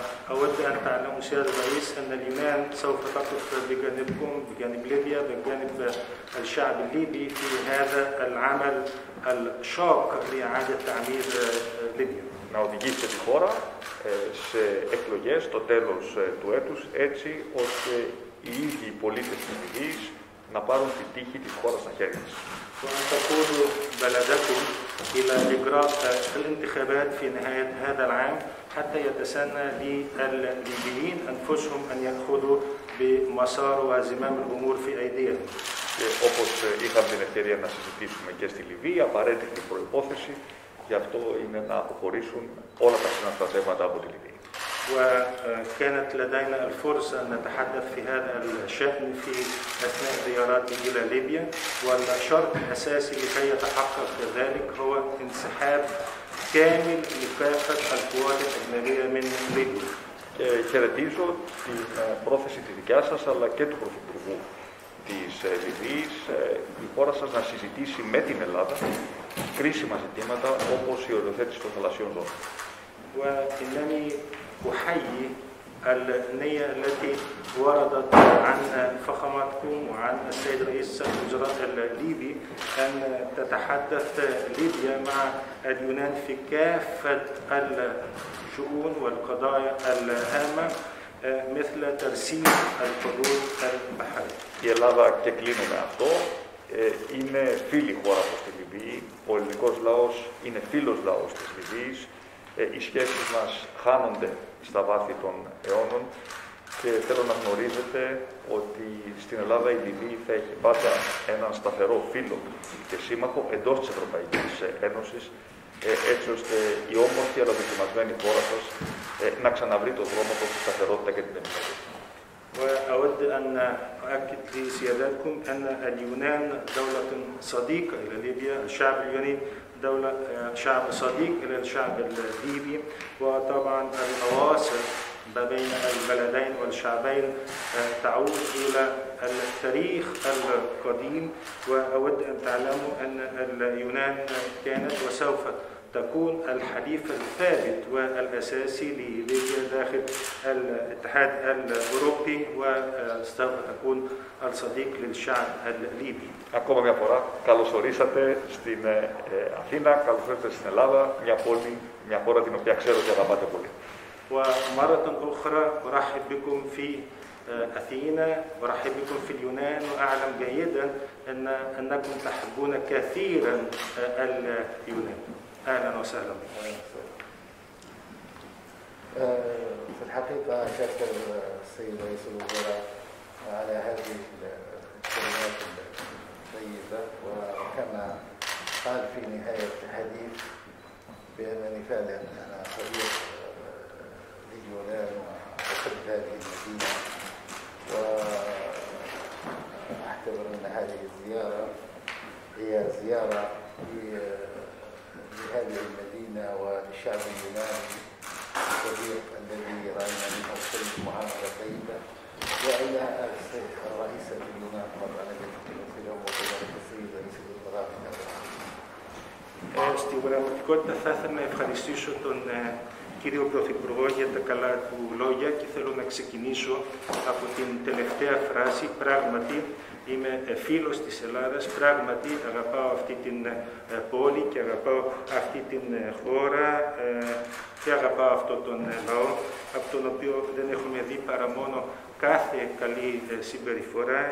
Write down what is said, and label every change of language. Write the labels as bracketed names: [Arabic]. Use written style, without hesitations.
[Arabic] وأود أن تعلموا سيادة الرئيس أن اليونان سوف تقف بجانبكم بجانب ليبيا بجانب الشعب الليبي في هذا العمل الشاق لإعادة تعمير ليبيا. [Greek] Να οδηγήσετε τη χώρα σε εκλογές στο τέλος του έτους, έτσι ώστε οι ίδιοι οι πολίτες της Λιβύης να πάρουν την τύχη της χώρας στα χέρια της. [Arabic] وأن تقود بلدكم إلى إجراء الانتخابات في نهاية هذا العام حتى يتسنى للليبيين أنفسهم أن يأخذوا بمسار وزمام الأمور في أيديهم. [Greek] Όπως είχαμε την ευκαιρία να συζητήσουμε και στη Λιβύη, απαραίτητη προϋπόθεση γι' αυτό είναι να αποχωρήσουν όλα τα συναστρατεύματα από τη Λιβύη. [Arabic] وكانت لدينا الفرصة أن نتحدث في هذا الشأن في أثناء زيارتي إلى ليبيا، والشرط الأساسي لكي يتحقق ذلك هو انسحاب كامل لكافة القوات الأجنبية من ليبيا. [Greek] Χαιρετίζω την πρόθεση τη δικιά σας αλλά και του Πρωθυπουργού της Λιβύης, η χώρα σας να συζητήσει με την Ελλάδα κρίσιμα ζητήματα όπως η οριοθέτηση των θαλασσιών ζώνων. [Arabic] وإنني أحيي النية التي وردت عن فخامتكم وعن السيد رئيس الوزراء الليبي أن تتحدث ليبيا مع اليونان في كافة الشؤون والقضايا الهامة مثل ترسيم الحدود البحرية. [Greek] Η Ελλάδα, και κλείνω με αυτό, είναι φίλη χώρα από τη Λιβύη. Ο ελληνικός λαός είναι φίλος λαός της Λιβύης. Οι σχέσεις μας χάνονται στα βάθη των αιώνων και θέλω να γνωρίζετε ότι στην Ελλάδα η Λιβύη θα έχει πάντα έναν σταθερό φίλο και σύμμαχο εντός της Ευρωπαϊκής Ένωσης, έτσι ώστε η όμορφη αλλά δοκιμασμένη χώρα σας να ξαναβρει το δρόμο προς τη σταθερότητα και την ευημερία. [Arabic] وأود أن أؤكد لسيادتكم أن اليونان دولة صديقة إلى ليبيا، الشعب اليوناني دولة شعب صديق إلى الشعب الليبي، وطبعا المواصل ما بين البلدين والشعبين تعود إلى التاريخ القديم، وأود أن تعلموا أن اليونان كانت وسوف تكون الحليف الثابت والأساسي لليبيا داخل الاتحاد الأوروبي وسوف تكون الصديق للشعب الليبي. [Greek] Ακόμα μια φορά, καλώς ορίσατε στην Αθήνα, καλώς ήρθατε στην Ελλάδα, μια πόλη, μια χώρα την οποία ξέρω και αγαπάτε πολύ. [Arabic] ومرة أخرى أرحب بكم في أثينا، أرحب بكم في اليونان، وأعلم جيدا أنكم تحبون كثيرا اليونان. أهلاً وسهلاً. في الحقيقة أشكر السيد رئيس الوزراء على هذه الكلمات الطيبة، وكما قال في نهاية الحديث بأنني فعلاً أنا صديق لليونان وأحب هذه المدينة، وأعتبر أن هذه الزيارة هي زيارة لهذه المدينة وللشعب اليوناني الصديق الذي رأينا منه كل معاملة طيبة، وإلى الرئيسة اليونان مرة أخرى وكذلك السيد رئيس الوزراء في [Greek] Στην πραγματικότητα θα ήθελα να ευχαριστήσω τον κύριο Πρωθυπουργό, για τα καλά του λόγια και θέλω να ξεκινήσω από την τελευταία φράση. Πράγματι, είμαι φίλος της Ελλάδας, πράγματι αγαπάω αυτή την πόλη και αγαπάω αυτή την χώρα και αγαπάω αυτόν τον λαό, από τον οποίο δεν έχουμε δει παρά μόνο κάθε καλή συμπεριφορά.